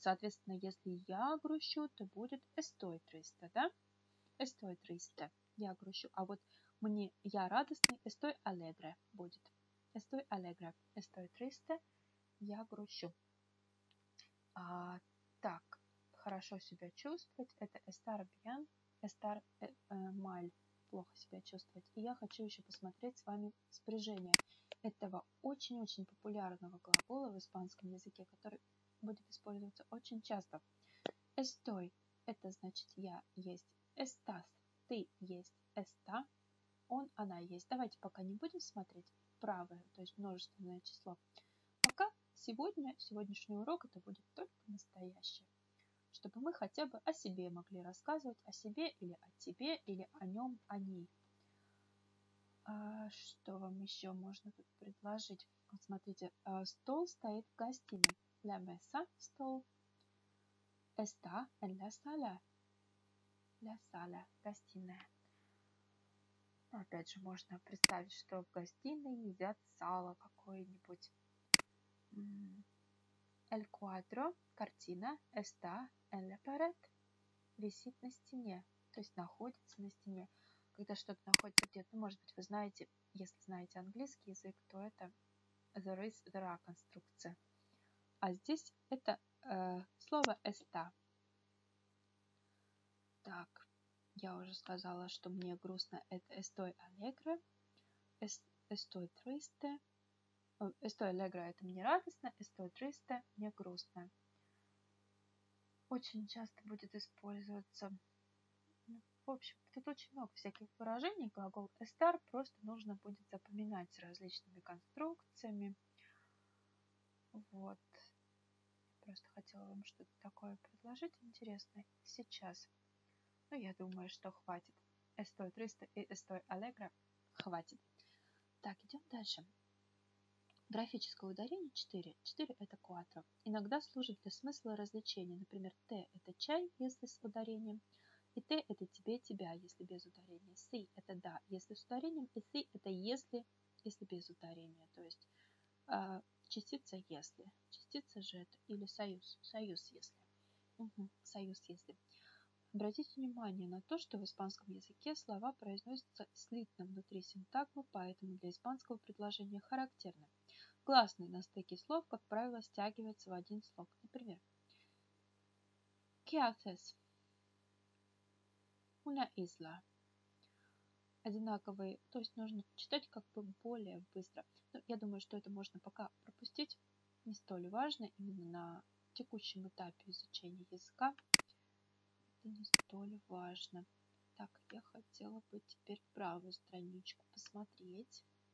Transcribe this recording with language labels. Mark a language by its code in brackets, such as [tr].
[ru] Соответственно, если я грущу, то будет [es] estoy triste, [ru] да? [es] Estoy triste. [ru] Я грущу. А вот мне я радостный, [es] estoy alegre [ru] будет. [es] Estoy alegre. Estoy triste. [ru] Я грущу. А, так, хорошо себя чувствовать. [es] Это estar bien, estar mal. [ru] Плохо себя чувствовать. И я хочу еще посмотреть с вами спряжение этого очень-очень популярного глагола в испанском языке, который будет использоваться очень часто. Estoy. Это значит я есть. Estás. Ты есть. Está. Он, она есть. Давайте пока не будем смотреть правое, то есть множественное число. Пока сегодня, сегодняшний урок, это будет только настоящее. Чтобы мы хотя бы о себе могли рассказывать, о себе или о тебе, или о нем, о ней. А что вам еще можно тут предложить? Вот смотрите, стол стоит в гостиной. [es] La mesa, стол. Está en la sala. La sala, гостиная. [ru] Опять же, можно представить, что в гостиной едят сало какое-нибудь. [es] El cuadro, [ru] картина, [es] está en la pared, [ru] висит на стене, то есть находится на стене. Когда что-то находится где-то, ну, может быть, вы знаете, если знаете английский язык, то это there is, there are конструкция. А здесь это слово está. Так, я уже сказала, что мне грустно. [es] Это estoy alegre, estoy triste. Estoy alegre [ru] – это мне радостно, [es] estoy triste [ru] – мне грустно. Очень часто будет использоваться. В общем, тут очень много всяких выражений. Глагол estar просто нужно будет запоминать с различными конструкциями. Вот. Просто хотела вам что-то такое предложить интересное сейчас. Ну, я думаю, что хватит. [es] Estoy triste и estoy alegre. [ru] Хватит. Так, идем дальше. Графическое ударение 4. 4 это cuatro. Иногда служит для смысла развлечения. Например, te это чай, если с ударением. И te это тебе, тебя, если без ударения. Si это да, если с ударением. И si это если, если без ударения. То есть частица если. Частица же это. Или союз. Союз если. Угу, союз если. Обратите внимание на то, что в испанском языке слова произносятся слитно внутри синтагмы, поэтому для испанского предложения характерно. Гласные на стыке слов, как правило, стягиваются в один слог. [es] Например, ¿qué haces? Una isla. [ru] Одинаковые, то есть нужно читать как бы более быстро. Но я думаю, что это можно пока пропустить, не столь важно именно на текущем этапе изучения языка. Не столь важно. Так, я хотела бы теперь правую страничку посмотреть.